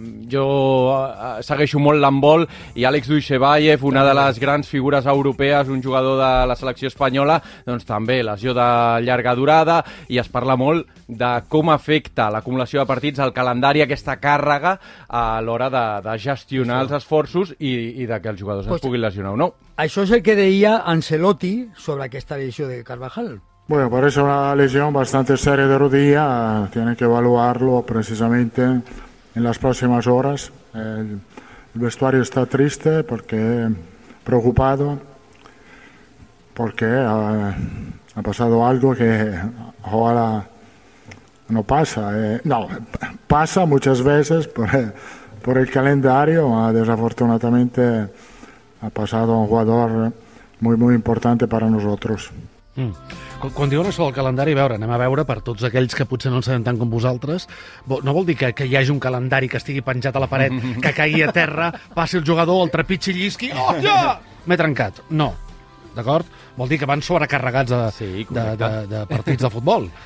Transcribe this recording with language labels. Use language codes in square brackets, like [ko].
[ca] Jo segueixo molt l'handbol i Àlex Duixebaev, una de les grans figures europees, un jugador de la selecció espanyola, doncs també lesió de llarga durada, i es parla molt de com afecta l'acumulació de partits al calendari, aquesta càrrega a l'hora de gestionar els esforços i de que els jugadors es puguin lesionar o no. Això és el que deia Ancelotti sobre aquesta lesió de Carvajal. [es] Bueno, parece una lesión bastante seria de rodilla. Tiene que evaluarlo precisamente en las próximas horas. El vestuario está triste porque preocupado porque ha pasado algo que ojalá no pasa, no, pasa muchas veces por el calendario. Desafortunadamente ha pasado un jugador muy, muy importante para nosotros. [ca] Quan diuen això del calendari, anem a veure per tots aquells que potser no en sabem tant com vosaltres, no vol dir que hi hagi un calendari que estigui penjat a la paret, que caigui a terra, passi el jugador, el trepitxi i llisqui, oh, ja! M'he trencat. No. D'acord? Vol dir que van sobrecarregats de partits de futbol.